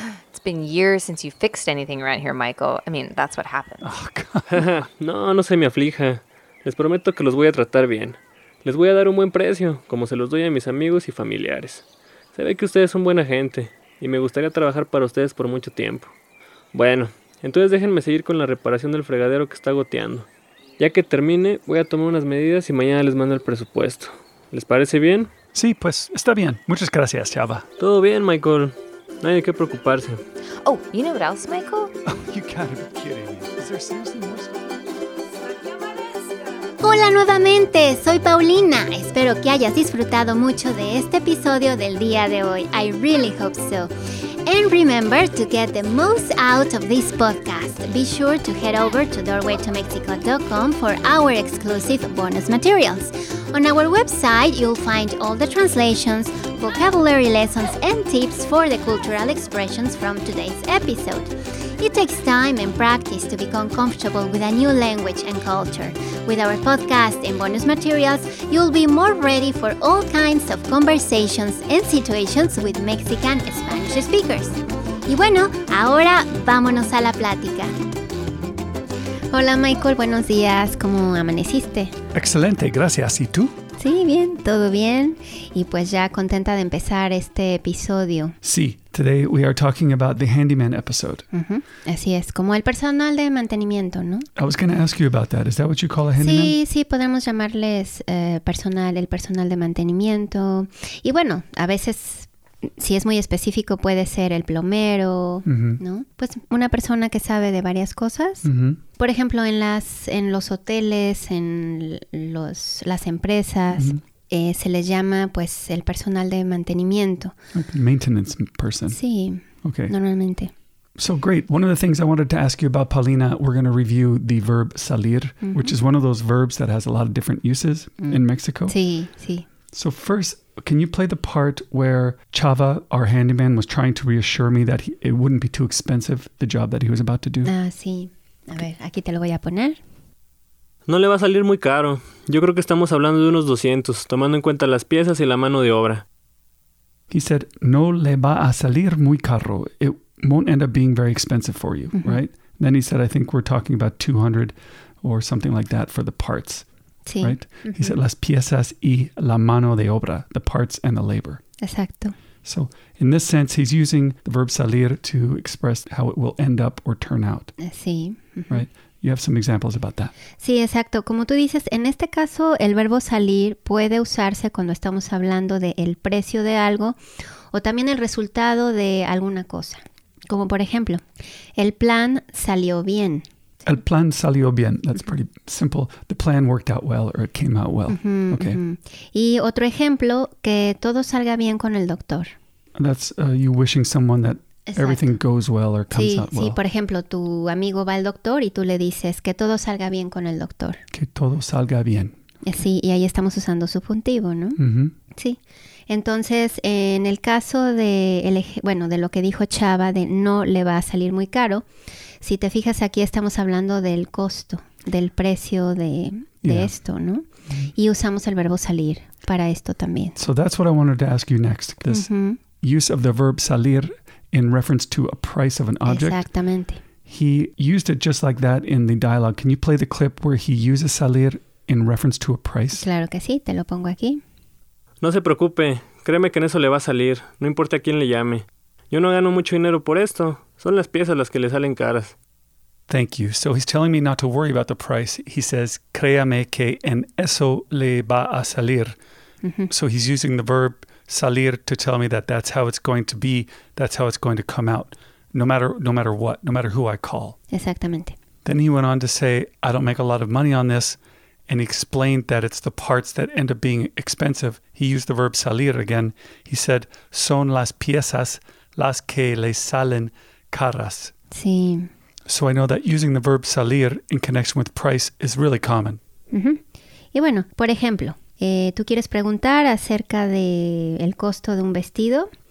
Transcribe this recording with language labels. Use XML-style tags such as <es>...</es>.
<en>It's been years since you fixed anything around here, Michael. I mean, that's what happens. Oh, God.</en> <es>No, no se me aflija. Les prometo que los voy a tratar bien. Les voy a dar un buen precio, como se los doy a mis amigos y familiares. Se ve que ustedes son buena gente, y me gustaría trabajar para ustedes por mucho tiempo. Bueno, entonces déjenme seguir con la reparación del fregadero que está goteando. Ya que termine, voy a tomar unas medidas y mañana les mando el presupuesto. ¿Les parece bien? Sí, pues está bien. Muchas gracias, Chava. Todo bien, Michael. No hay que preocuparse.</es> <en>Oh, you know what else, Michael? Oh, you gotta be kidding me. Is there seriously more stuff?</en> <es>Hola nuevamente, soy Paulina. Espero que hayas disfrutado mucho de este episodio del día de hoy.</es> <en>I really hope so. And remember, to get the most out of this podcast, be sure to head over to doorwaytomexico.com for our exclusive bonus materials. On our website, you'll find all the translations, vocabulary lessons, and tips for the cultural expressions from today's episode. It takes time and practice to become comfortable with a new language and culture. With our podcast and bonus materials, you'll be more ready for all kinds of conversations and situations with Mexican Spanish speakers.</en> <es>Y bueno, ahora vámonos a la plática. Hola Michael, buenos días, ¿cómo amaneciste? Excelente, gracias, ¿y tú? Sí, bien, todo bien. Y pues ya contenta de empezar este episodio.</es> <en>Sí, today we are talking about the handyman episode. Uh-huh.</en> <es>Así es, como el personal de mantenimiento, ¿no?</es> <en>I was going to ask you about that. Is that what you call a handyman?</en> <es>Sí, sí, podemos llamarles el personal de mantenimiento. Y bueno, a veces, si es muy específico, puede ser el plomero, uh-huh. ¿no? Pues una persona que sabe de varias cosas. Uh-huh. Por ejemplo, en los hoteles, en las empresas, uh-huh. Se les llama, pues, el personal de mantenimiento.</es> <en>Okay. Maintenance person.</en> <es>Sí. Okay. Normalmente.</es> <en>So, great. One of the things I wanted to ask you about, Paulina, we're going to review the verb salir, uh-huh. which is one of those verbs that has a lot of different uses uh-huh. in Mexico.</en> <es>Sí, sí.</es> <en>So, first, can you play the part where Chava, our handyman, was trying to reassure me that it wouldn't be too expensive, the job that he was about to do?</en> <es>Ah, sí. A ver, aquí te lo voy a poner. No le va a salir muy caro. Yo creo que estamos hablando de unos 200, tomando en cuenta las piezas y la mano de obra.</es> <en>He said,</en> <es>no le va a salir muy caro.</es> <en>It won't end up being very expensive for you, mm-hmm. right? Then he said, I think we're talking about 200 or something like that for the parts,</en> <es>sí.</es> <en>right? Mm-hmm. He said,</en> <es>las piezas y la mano de obra,</es> <en>the parts and the labor.</en> <es>Exacto.</es> <en>So in this sense, he's using the verb salir to express how it will end up or turn out.</en> <es>Sí. Mm-hmm.</es> <en>Right? You have some examples about that.</en> <es>Sí, exacto. Como tú dices, en este caso, el verbo salir puede usarse cuando estamos hablando de el precio de algo o también el resultado de alguna cosa. Como por ejemplo, el plan salió bien. El plan salió bien.</es> <en>That's pretty simple. The plan worked out well or it came out well. Mm-hmm, okay. Mm-hmm.</en> <es>Y otro ejemplo, que todo salga bien con el doctor.</es> <en>That's you wishing someone that Exacto. everything goes well or comes</en> <es>sí,</es> <en>out well.</en> <es>Sí, por ejemplo, tu amigo va al doctor y tú le dices que todo salga bien con el doctor. Que todo salga bien. Okay. Sí, y ahí estamos usando subjuntivo, ¿no? Mm-hmm. Sí. Entonces, en el caso de de lo que dijo Chava de no le va a salir muy caro, si te fijas aquí estamos hablando del costo, del precio de yeah. esto, ¿no? Y usamos el verbo salir para esto también.</es> <en>So that's what I wanted to ask you next. This mm-hmm. use of the verb salir in reference to a price of an object.</en> <es>Exactamente.</es> <en>He used it just like that in the dialogue. Can you play the clip where he uses salir in reference to a price?</en> <es>Claro que sí, te lo pongo aquí. No se preocupe, créeme que en eso le va a salir, no importa a quién le llame. Yo no gano mucho dinero por esto, son las piezas las que le salen caras.</es> <en>Thank you. So he's telling me not to worry about the price. He says,</en> <es>créame que en eso le va a salir.</es> <en>Mm-hmm. So he's using the verb salir to tell me that that's how it's going to be, that's how it's going to come out, no matter what, no matter who I call.</en> <es>Exactamente.</es> <en>Then he went on to say, I don't make a lot of money on this. And explained that it's the parts that end up being expensive. He used the verb salir again. He said,</en> <es>son las piezas las que le salen caras. Sí.</es> <en>So I know that using the verb salir in connection with price is really common. Mm-hmm.</en> <es>Y bueno, por ejemplo, tú quieres preguntar acerca de el costo de un vestido.</es>